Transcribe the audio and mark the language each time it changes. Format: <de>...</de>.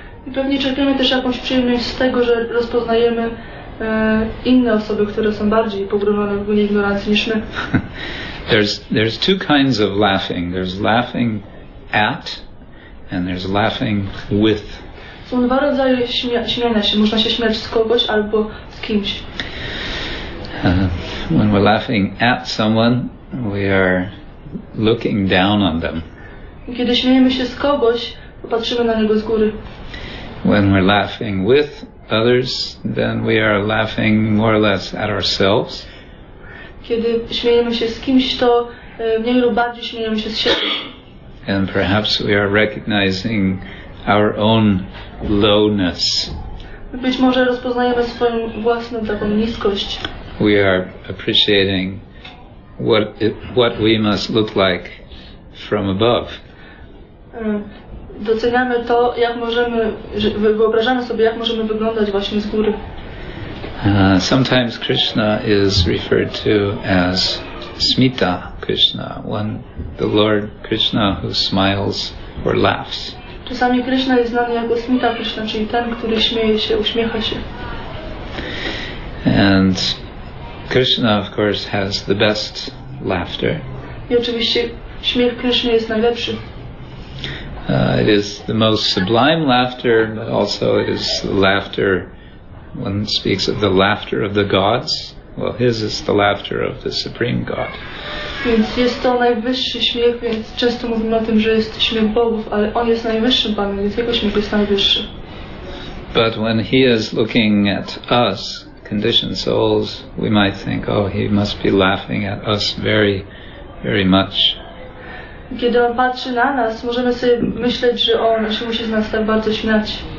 <pl>I pewnie czerpiemy też jakąś przyjemność z tego, że rozpoznajemy inne osoby, które są bardziej pogrążone w głębi ignorancji niż my.</pl> <en>There's two kinds of laughing. There's laughing at and there's laughing with.</en> <pl>Są dwa rodzaje śmiania się. Można się śmiać z kogoś albo z kimś.</pl> <en>When we're laughing at someone, we are looking down on them.</en> <pl>Kiedy śmiejemy się z kogoś, patrzymy na niego z góry.</pl> <en>When we're laughing with others, then we are laughing more or less at ourselves.</en> <pl>Kiedy śmiejemy się z kimś, to mniej lub bardziej śmiejemy się z siebie.</pl> <en>And perhaps we are recognizing our own lowness.</en> <pl>Być może rozpoznajemy swoją własną taką niskość.</pl> <en>We are appreciating what we must look like from above.</en> <pl>Doceniamy to, jak możemy, wyobrażamy sobie, jak możemy wyglądać właśnie z góry.</pl> <en>Sometimes Krishna is referred to as Smita Krishna, one, the Lord Krishna who smiles or laughs.</en> <pl>Czasami Krishna jest znany jako Smita Krishna, czyli ten, który śmieje się, uśmiecha się.</pl> <en>And Krishna, of course, has the best laughter.</en> <pl>I oczywiście śmiech Krishna jest najlepszy.</pl> <en>It is the most sublime laughter, but also it is laughter, one speaks of the laughter of the gods. Well, his is the laughter of the Supreme God.</en> <pl>Więc jest to najwyższy śmiech, więc często mówimy o tym, że jest śmiech Bogów, ale on jest najwyższym Panem, więc jego śmiech jest najwyższy.</pl> <en>But when he is looking at us, conditioned souls, we might think, oh, he must be laughing at us very, very much.</en> <pl>Kiedy on patrzy na nas, możemy sobie myśleć, że on się musi z nas tak bardzo śmiać.</pl>